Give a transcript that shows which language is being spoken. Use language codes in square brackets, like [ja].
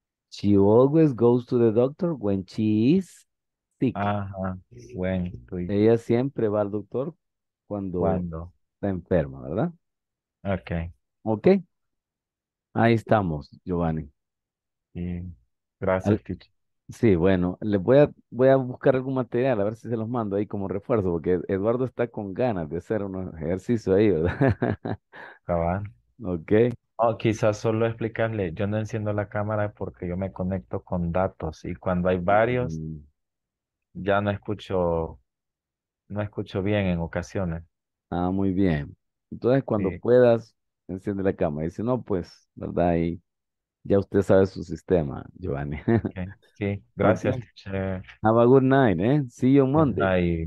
[en] She always goes to the doctor when she is sick. Ajá, when. [es] Ella siempre va al doctor cuando está enferma, ¿verdad? Okay. Okay. Ahí estamos, Giovanni. Gracias. Sí, bueno, les voy a buscar algún material, a ver si se los mando ahí como refuerzo, porque Eduardo está con ganas de hacer unos ejercicios ahí, ¿verdad? Cabal. Ok. Quizás solo explicarle, yo no enciendo la cámara porque yo me conecto con datos, y cuando hay varios, ya no escucho bien en ocasiones. Ah, muy bien. Entonces, cuando puedas, enciende la cámara, y si no, pues, ¿verdad? Ahí. Ya usted sabe su sistema, Giovanni. Okay. Sí, gracias. [en] Have a good night, eh? See you on Monday.